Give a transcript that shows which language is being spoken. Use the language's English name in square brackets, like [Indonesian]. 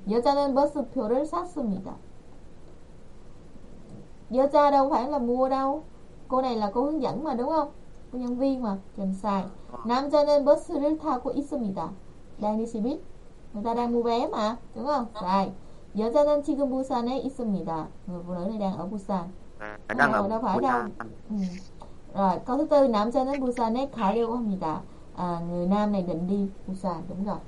[Korean] 여자는 버스표를 샀습니다. 여자 [Vietnamese] đâu phải là mua đâu. Cô này là cô hướng dẫn mà đúng không? Cô nhân viên mà, chuẩn sai. [Korean] 남자는 버스를 타고 있습니다. 다니시비? [Vietnamese] người ta đang mua vé mà, đúng không? Sai. [Korean] 여자는 지금 부산에 있습니다. [Vietnamese] Người phụ nữ này đang ở Busan. Đang ở đâu phải đâu. Rồi, câu thứ tư, [Korean] 남자는 부산에 가려고 합니다. [Vietnamese] À, người nam này định đi Busan, đúng rồi.